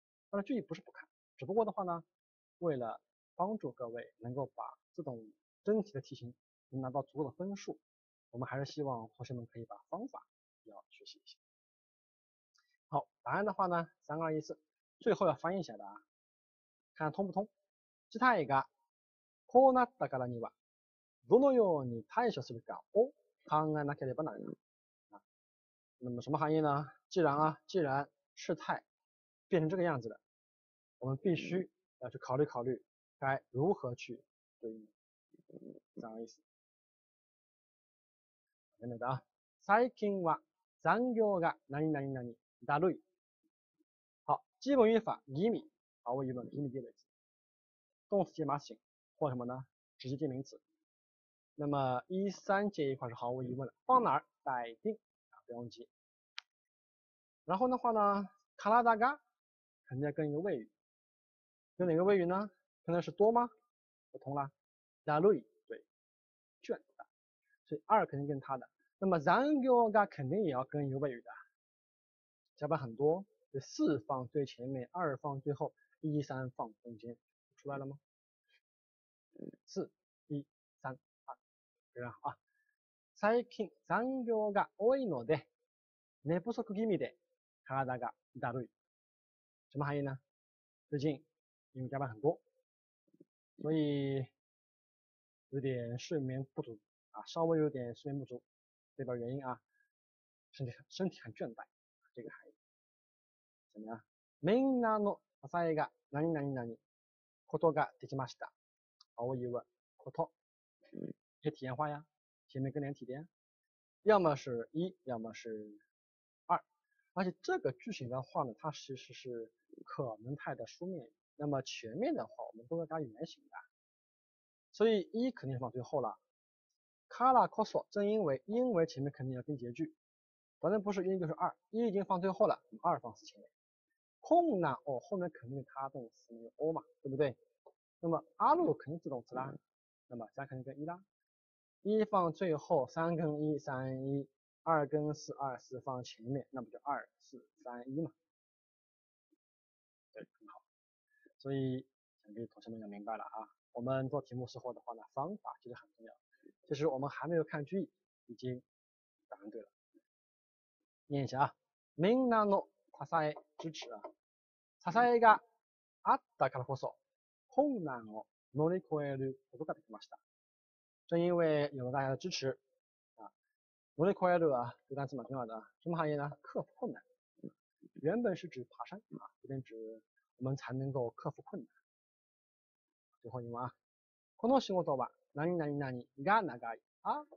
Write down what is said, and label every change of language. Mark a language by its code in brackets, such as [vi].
[zh] 当然句意不是不看，只不过的话呢，为了帮助各位能够把这种真题的题型能拿到足够的分数，我们还是希望同学们可以把方法要学习一下。好，答案的话呢，三二一四，最后要翻译一下的啊，看通不通。其他一个， [ja] こうなったからにはどのように対処するかを考えなければならない。 [zh] 那么什么含义呢？既然事态变成这个样子的，我们必须要去考虑考虑该如何去对应。这样的意思。等等等啊。 [ja] 最近は残業が何々何々だるい。 [zh] 好，基本语法ぎみ，毫无疑问ぎみ地位。动词接马形或什么呢，直接接名词。那么一三接一块是毫无疑问的，放哪儿待定啊，不用急。然后的话呢，卡拉达嘎肯定要跟一个谓语，跟哪个谓语呢？可能是多吗？不同啦，だるい，对，倦的，所以二肯定跟他的。那么残業が肯定也要跟一个谓语的，加班很多，所以四放最前面，二放最后，一三放中间，出来了吗？四一三二，非常好啊。 [ja] 最近残業が多いので、寝不足気味で体がだるい。 [zh] 什么含义呢？最近因为加班很多，所以有点睡眠不足啊，稍微有点睡眠不足，代表原因啊，身体很倦怠，这个含义。怎么样？ [ja] みんなの支えが何何何ことができました。 [zh] 毫无疑问，こと是体验化呀，前面跟连体的呀，要么是一，要么是二，而且这个句型的话呢，它其实是可能态的书面，那么前面的话我们都要加原形的，所以一肯定是放最后了，からこそ正因为前面肯定要跟结句，反正不是因就是二，一已经放最后了，二放前面。空呢，哦，后面肯定它动词有 o 嘛，对不对？那么阿路肯定自动词啦，那么加肯定跟一啦，一放最后，三跟一三一，二跟四二四放前面，那不就二四三一嘛？对，很好。所以想必同学们也明白了啊，我们做题目时候的话呢，方法其实很重要。其实我们还没有看句意，已经答案对了。念一下啊， [ja] みんなの支え [zh] 支持啊， [ja] 支えがあったからこそ困難を乗り越えることができました。 [zh] 正因为有了大家的支持啊，乗り越える啊，这单词蛮重要的啊，什么含义呢？克服困难，原本是指爬山啊，这边指我们才能够克服困难。最后一问啊， [ja] この仕事は何々何が長い啊？